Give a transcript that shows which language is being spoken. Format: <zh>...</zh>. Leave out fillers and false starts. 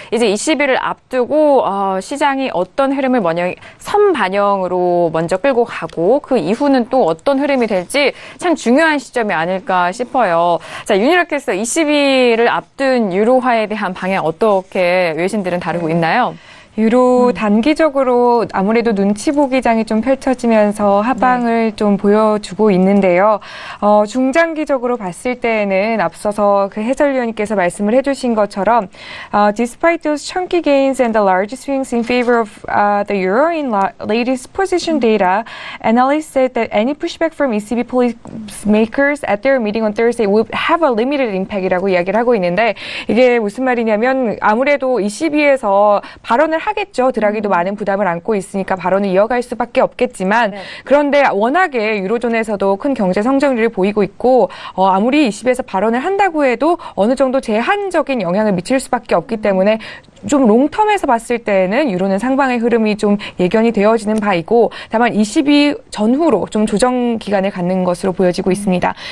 <ko>이제 20일을 앞두고 시장이 어떤 흐름을 먼저 선반영으로 먼저 끌고 가고 그 이후는 또 어떤 흐름이 될지 참 중요한 시점이 아닐까 싶어요. 자, 유니라켓서 20일을 앞둔 유로화에 대한 방향 어떻게 외신들은 다루고 있나요? 유로 단기적으로 아무래도 눈치 보기 장이 좀 펼쳐지면서 하방을 네. 좀 보여주고 있는데요. 중장기적으로 봤을 때에는 앞서서 그 해설위원님께서 말씀을 해주신 것처럼</ko> <en>despite those chunky gains and the large swings in favor of the euro in latest position data, analysts said that any pushback from ECB policymakers at their meeting on Thursday would have a limited impact이라고</en> <ko>이야기를 하고 있는데 이게 무슨 말이냐면 아무래도 ECB에서 발언 하겠죠. 드라기도 많은 부담을 안고 있으니까 발언을 이어갈 수밖에 없겠지만 네. 그런데 워낙에 유로존에서도 큰 경제 성장률을 보이고 있고 아무리 20에서 발언을 한다고 해도 어느 정도 제한적인 영향을 미칠 수밖에 없기 때문에 좀 롱텀에서 봤을 때는 유로는 상방의 흐름이 좀 예견이 되어지는 바이고 다만 22 전후로 좀 조정 기간을 갖는 것으로 보여지고 있습니다.</ko>